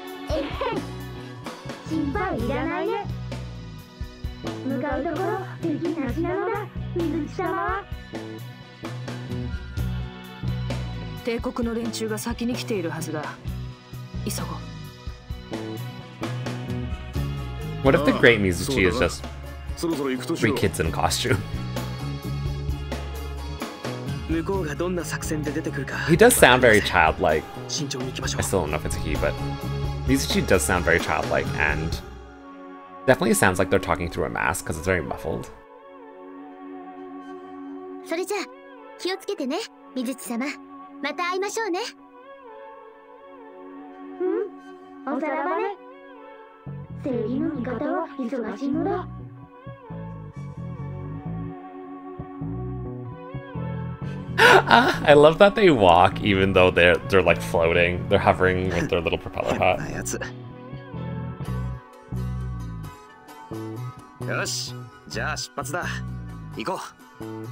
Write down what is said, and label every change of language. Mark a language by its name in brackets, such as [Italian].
[Japanese] えへん。心配いらないで。向かうところ、敵なしなのだ、水木様は。帝国の連中が先に来ているはずだ。急ごう。 [English] What if the great Mizuchi is just three kids in costume? [Japanese] 向こうがどんな作戦で出てくるか。 [English] He does sound very childlike. [Japanese] 慎重に行きましょう。 [English] I still don't know if it's a he, but Mizuchi does sound very childlike and definitely sounds like they're talking through a mask because it's very muffled. [Japanese] それじゃ、気をつけてね、水地様。また会いましょうね。うん、おさらばね。正義の味方は忙しいのだ。 [English] I love that they walk even though they're like floating. They're hovering with their little propeller hat. [Japanese] Yosh, じゃあ出発だ。行こう。